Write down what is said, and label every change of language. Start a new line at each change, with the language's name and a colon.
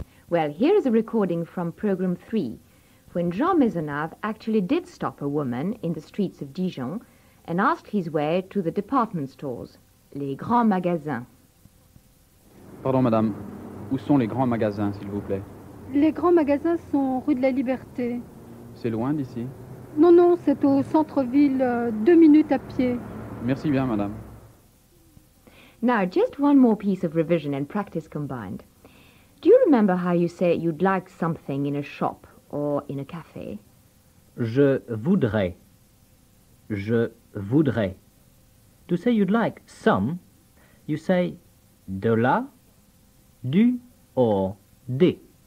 English: Well, here is a recording from program 3, when Jean Maisonave actually did stop a woman in the streets of Dijon and asked his way to the department stores,
French: les grands magasins. Pardon, madame. Où sont les grands magasins, s'il vous plaît? Les grands magasins sont rue de la Liberté. C'est loin d'ici? Non, non, c'est au centre-ville, 2 minutes à pied. Merci bien, madame.
English: Now, just one more piece of revision and practice combined. Do you remember how you say you'd like something in a shop or in a café?
French: Je voudrais. Je voudrais.
English: To say you'd like some, you say de là, du or des.